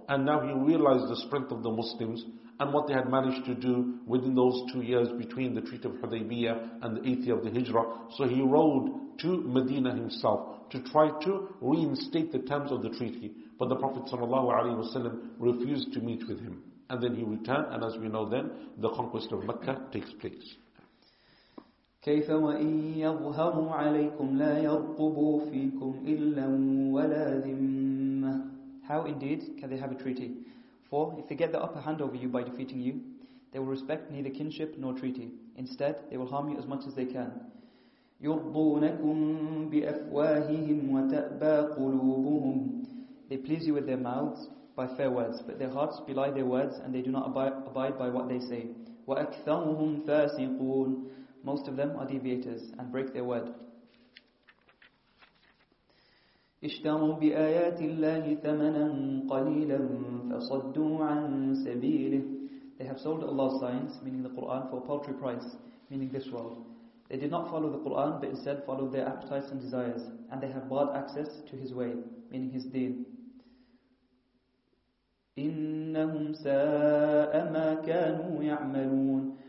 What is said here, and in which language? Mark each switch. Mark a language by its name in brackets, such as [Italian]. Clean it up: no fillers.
[English] And now he realized the strength of the Muslims and what they had managed to do within those 2 years between the Treaty of Hudaybiyah and the 8th year of the Hijrah. So he rode to Medina himself to try to reinstate the terms of the treaty. But the Prophet ﷺ refused to meet with him. And then he returned, and as we know then, the conquest of Mecca takes place. [Arabic] كيف وإن يظهروا عليكم لا يرقبوا فيكم إلا ولا ذمة. [English] How indeed can they have a treaty? For if they get the upper hand over you by defeating you, they will respect neither kinship nor treaty. Instead, they will harm you as much as they can. [Arabic] يرضونكم بأفواههم وتأبى قلوبهم. [English] They please you with their mouths by fair words, but their hearts belie their words and they do not abide by what they say. [Arabic] وأكثرهم فاسقون. [English] Most of them are deviators and break their word. [Arabic] اشتروا بآيات الله ثمنا قليلا فصدوا عن سبيله. [English] They have sold Allah's signs, meaning the Quran, for a paltry price, meaning this world. They did not follow the Quran, but instead followed their appetites and desires, and they have barred access to His way, meaning His deen. [Arabic] إنهم سَاءَ مَا كَانُوا يَعْمَلُونَ.